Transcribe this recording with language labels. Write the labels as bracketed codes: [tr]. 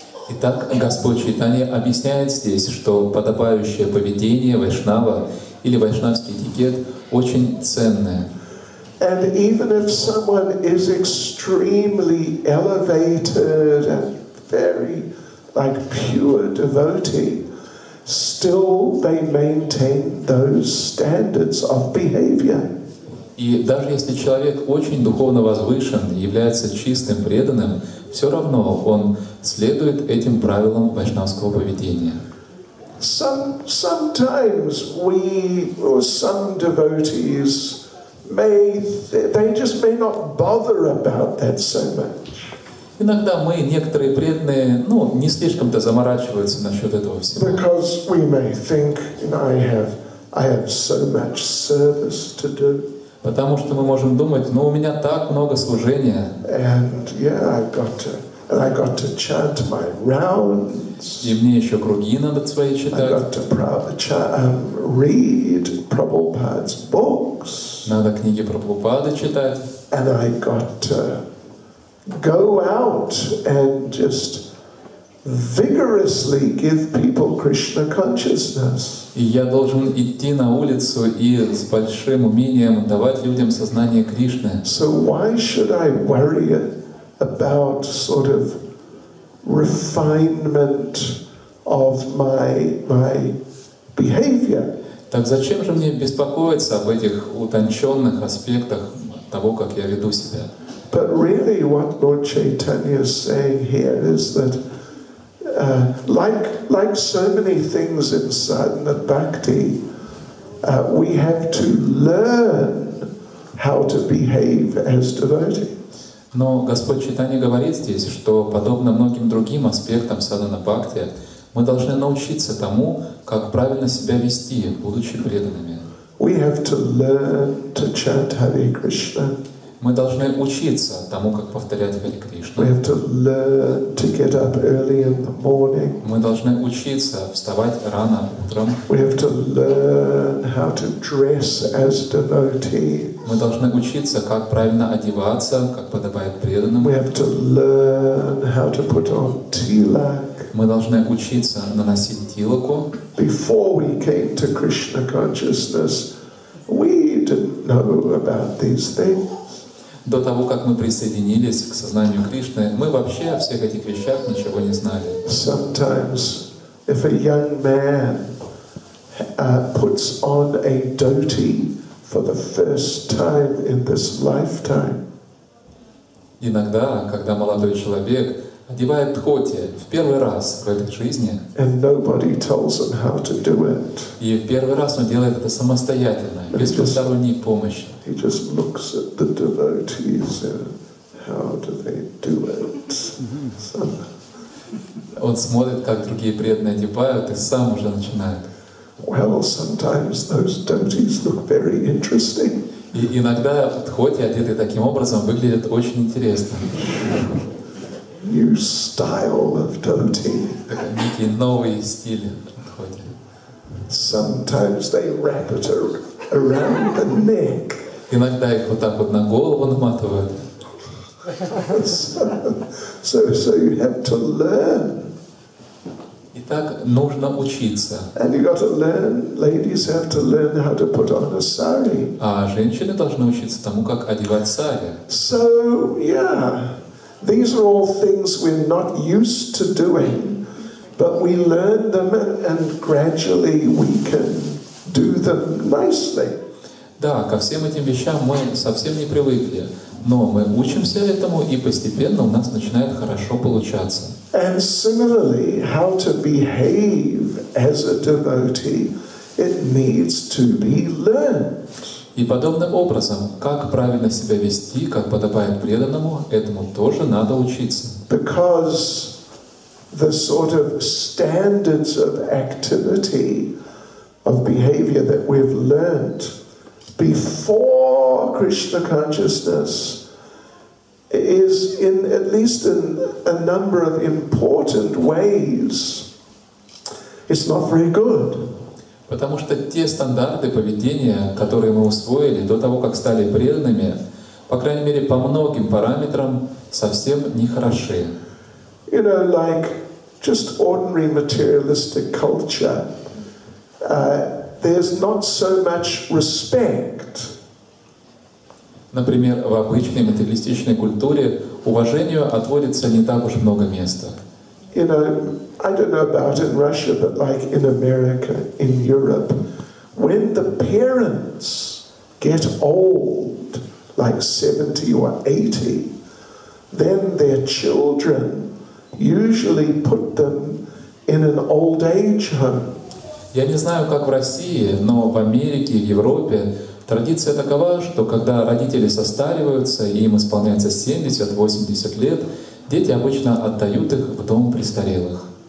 [ru] Итак, Господь Чайтанья объясняет здесь, что подобающее поведение Вайшнава или вайшнавский этикет очень ценное. [en] And even if someone is extremely elevated and very, like, pure devotee, still they maintain those standards of behavior. [ru] И даже если человек очень духовно возвышен, является чистым преданным, все равно он следует этим правилам вайшнавского поведения. [en] Sometimes we or some devotees. They just may not bother about that so much. [ru] Иногда мы некоторые преданные, ну, не слишком-то заморачиваются насчет этого всего. [en] Because we may think, you know, I have so much service to do. [ru] Потому что мы можем думать, ну, у меня так много служения. [en] And yeah, I got to chant my rounds. [ru] И мне еще круги надо свои читать. [en] I got to read Prabhupada's books. [ru] Надо книги Прабхупады читать. [en] And I got to go out and just vigorously give people Krishna consciousness. [ru] И я должен идти на улицу и с большим умением давать людям сознание Кришны. [en] So why should I worry about sort of refinement of my behavior? [ru] Так зачем же мне беспокоиться об этих утонченных аспектах того, как я веду себя? [en] But really what Lord Chaitanya is saying here is that like so many things in sadhana bhakti, we have to learn how to behave as devotees. [ru] Но Господь Чайтанья говорит здесь, что подобно многим другим аспектам садхана бхакти, мы должны научиться тому, как правильно себя вести, будучи преданными. [en] We have to learn to chant Hare Krishna. [ru] Мы должны учиться тому, как повторять Хари Кришну. [en] We have to learn to get up early in the morning. [ru] Мы должны учиться вставать рано утром. [en] We have to learn how to dress as devotee. [ru] Мы должны учиться, как правильно одеваться, как подобает преданным. [en] We have to learn how to put on tilak. [ru] Мы должны учиться наносить тилаку. [en] Before we came to Krishna consciousness, we didn't know about these things. [ru] До того, как мы присоединились к сознанию Кришны, мы вообще о всех этих вещах ничего не знали. [en] Sometimes If a young man puts on a dhoti for the first time in this lifetime. [ru] Иногда, когда молодой человек одевает дхоти в первый раз в этой жизни, [en] and nobody tells him how to do it. [ru] И в первый раз он делает это самостоятельно, [en] and [ru] без посторонней помощи. [en] He just looks at the devotees and how do they do it? [ru] Он смотрит, как другие преданные одевают, и сам уже начинает. [en] Well, sometimes those devotees look very interesting. [ru] И иногда дхоти, одетые таким образом, выглядят очень интересно. [en] New style of dhoti. [ru] Некий новый стиль дхоти. [en] Sometimes they wrap it around the neck. [ru] Иногда их вот так вот на голову наматывают. [en] So you have to learn. [ru] Итак, нужно учиться. [en] And you got to learn. Ladies have to learn how to put on a sari. [ru] А женщины должны учиться тому, как одевать сари. [en] So, yeah. These are all things we're not used to doing, but we learn them and gradually we can do them nicely. [ru] Да, ко всем этим вещам мы совсем не привыкли, но мы учимся этому и постепенно у нас начинает хорошо получаться. [en] And similarly, how to behave as a devotee, it needs to be learned. [ru] И подобным образом, как правильно себя вести, как подобает преданному, этому тоже надо учиться. [en] Because the sort of standards of activity, of behavior that we've learned before Krishna consciousness is in at least in a number of important ways, it's not very good. [ru] Потому что те стандарты поведения, которые мы усвоили до того, как стали преданными, по крайней мере, по многим параметрам, совсем нехороши. [en] You know, like just ordinary materialistic culture, there's not so much respect. [ru] Например, в обычной материалистичной культуре уважению отводится не так уж много места. [en] You know, I don't know about in Russia, but like in America, in Europe, when the parents get old, like 70 or 80, then their children usually put them in an old age home. [ru] Я не знаю, как в России, но в Америке, в Европе традиция такова, что когда родители состариваются и им исполняется 70-80 лет, дети обычно отдают их в дом престарелых.